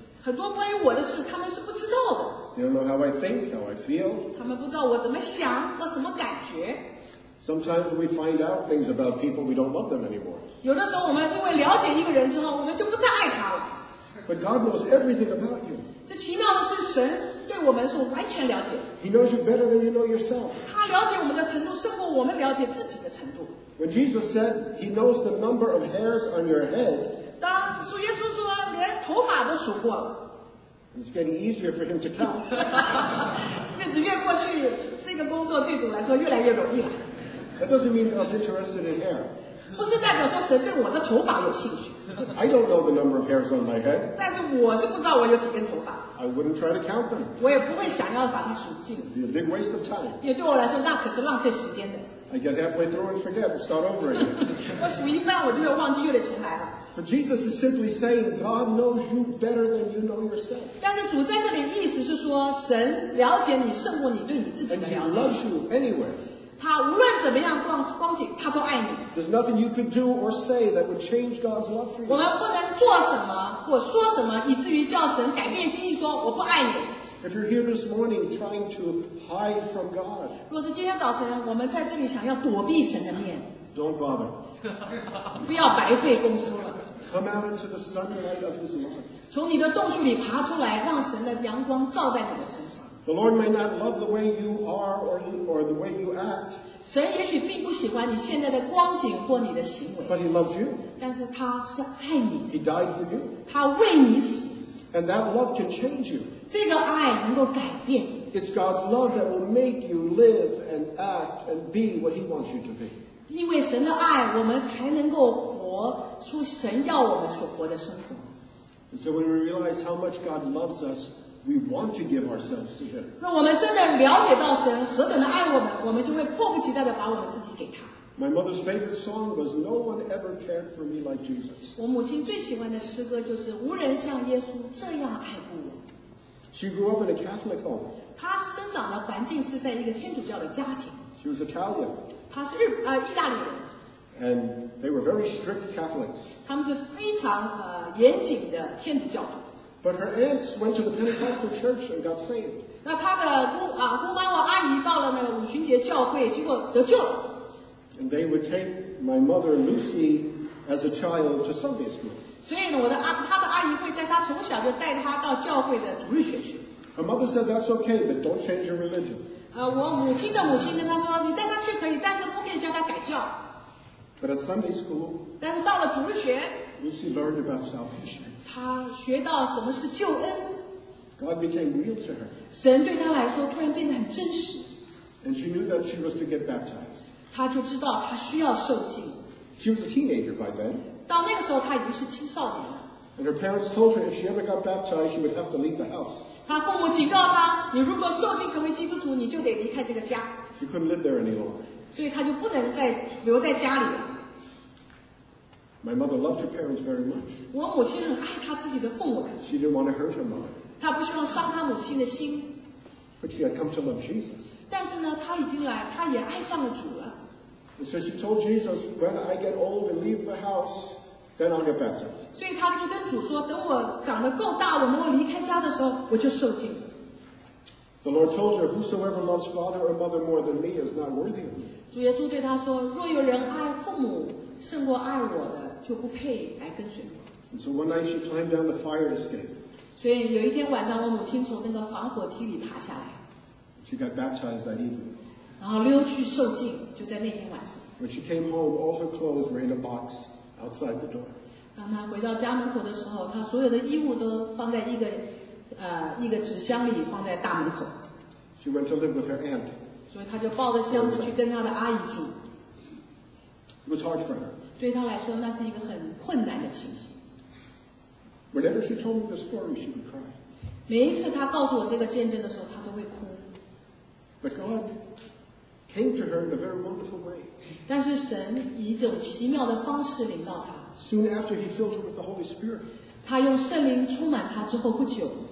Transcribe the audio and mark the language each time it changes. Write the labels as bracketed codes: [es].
[zh] 很多关于我的事，他们是不知道的。 [en] They don't know how I think, how I feel. [zh] 他们不知道我怎么想，我什么感觉。 [en] Sometimes we find out things about people we don't love them anymore. [zh] 有的时候我们因为了解一个人之后，我们就不再爱他了。 [en] But God knows everything about you. [zh] 这奇妙的是神。对我们是完全了解。 [en] He knows you better than you know yourself. [zh] 他了解我们的程度胜过我们了解自己的程度。 [en] When Jesus said he knows the number of hairs on your head, [zh] 当主耶稣说连头发都数过了。 [en] It's getting easier for him to count. [zh] 日子越过去，这个工作对主来说越来越容易了。 [en] That doesn't mean God's interested in hair. [zh] 不是代表说神对我的头发有兴趣。 [en] I don't know the number of hairs on my head. [zh] 但是我是不知道我有几根头发。 [en] I wouldn't try to count them. [zh] 我也不会想要把它数尽。 [en] It'd be a big waste of time. [zh] 因为对我来说，那可是浪费时间的。 [en] I get halfway through and forget and start over again. [zh] 我数一半，我就要忘记，又得重来了。 [en] But Jesus is simply saying God knows you better than you know yourself. [zh] 但是主在这里意思是说，神了解你胜过你对你自己的了解。 [en] And he loves you anyway. [zh] 他无论怎么样光景，他都爱你。 [en] There's nothing you could do or say that would change God's love for you. [zh] 我们不能做什么或说什么，以至于叫神改变心意说我不爱你。 [en] If you're here this morning trying to hide from God, [zh] 若是今天早晨我们在这里想要躲避神的面 [en] ，Don't bother. [zh] 不要白费功夫了。 [en] Come out into the sunlight of His love. [zh] 从你的洞穴里爬出来，让神的阳光照在你的身上。 [en] The Lord may not love the way you are or the way you act. [zh] 神也许并不喜欢你现在的光景或你的行为。 [en] But he loves you. [zh] 但是他是爱你。 [en] He died for you. [zh] 他为你死。 [en] And that love can change you. [zh] 这个爱能够改变。 [en] It's God's love that will make you live and act and be what he wants you to be. [zh] 因为神的爱，我们才能够活出神要我们所活的生活。 [en] And so when we realize how much God loves us, we want to give ourselves to Him. [zh] 若我们真的了解到神何等的爱我们，我们就会迫不及待地把我们自己给他。 [en] My mother's favorite song was "No one ever cared for me like Jesus." [zh] 我母亲最喜欢的诗歌就是无人像耶稣这样爱过我。 [en] She grew up in a Catholic home. [zh] 她生长的环境是在一个天主教的家庭。 [en] She was Italian. [zh] 她是意大利人。 [en] And they were very strict Catholics. [zh] 他们是非常严谨的天主教徒。 [en] But her aunts went to the Pentecostal church and got saved. [zh] 那她的姑妈和阿姨到了那个五旬节教会，结果得救了。 [en] And they would take my mother Lucy as a child to Sunday school. [zh] 所以我的她的阿姨会在她从小就带她到教会的主日学去。 [en] Her mother said that's okay, but don't change your religion. [zh] 我母亲的母亲跟她说，你带她去可以，但是不可以叫她改教。 [en] But at Sunday school, [zh] 但是到了主日学 [en] Lucy learned about salvation. [zh] 她学到什么是救恩。 [en] God became real to her. [zh] 神对她来说突然变得很真实。 [en] And she knew that she was to get baptized. [zh] 她就知道她需要受浸。 [en] She was a teenager by then. [zh] 到那个时候她已经是青少年了。 [en] And her parents told her if she ever got baptized, she would have to leave the house. [zh] 她父母警告她，你如果受浸成为基督徒，你就得离开这个家。 [en] She couldn't live there any longer. [zh] 所以她就不能再留在家里了。 [en] My mother loved her parents very much. [zh] 我母亲很爱她自己的父母。 [en] She didn't want to hurt her mother. [zh] 她不希望伤她母亲的心。 [en] But she had come to love Jesus. [zh] 但是呢，她已经来，她也爱上了主了。 [en] So she told Jesus, "When I get old and leave the house, then I'll get baptized." [zh] 所以她就跟主说，等我长得够大，我能够离开家的时候，我就受浸。 [en] The Lord told her, "Whosoever loves father or mother more than me is not worthy of me." [zh] 主耶稣对她说，若有人爱父母胜过爱我的，就不配来跟随我。 [en] And so one night she climbed down the fire escape. [zh] 所以有一天晚上，我母亲从那个防火梯里爬下来。 [en] She got baptized that evening. [zh] 然后溜去受浸，就在那天晚上。 [en] When she came home, all her clothes were in a box outside the door. [zh] 当她回到家门口的时候，她所有的衣物都放在一个纸箱里，放在大门口。 [en] She went to live with her aunt. [zh] 所以她就抱着箱子去跟她的阿姨住。 [en] It was hard for her. [zh] 对她来说，那是一个很困难的情形。 [en] Whenever she told me the story, she would cry. [zh] 每一次她告诉我这个见证的时候，她都会哭。 [en] But God came to her in a very wonderful way. [zh] 但是神以一种奇妙的方式临到她。 [en] Soon after he filled her with the Holy Spirit. [zh] 她用圣灵充满她之后不久。